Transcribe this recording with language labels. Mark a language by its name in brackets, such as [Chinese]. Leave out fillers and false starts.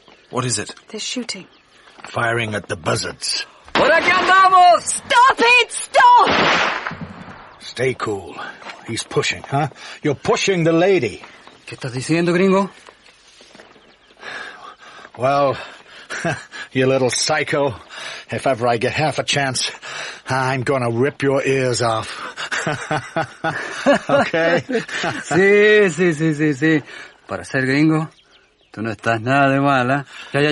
[English] What is it? They're shooting. Firing at the buzzards. [Spanish] ¡Por aquí andamos! [English] ¡Stop it! ¡Stop! Stay cool. He's pushing, huh? You're pushing the lady. [Spanish] ¿Qué estás diciendo, gringo? [English] Well, you little psycho. If ever I get half a chance, I'm gonna rip your ears off. Okay? [Spanish] Sí. Para ser gringo, tú no estás nada de mal, ¿eh?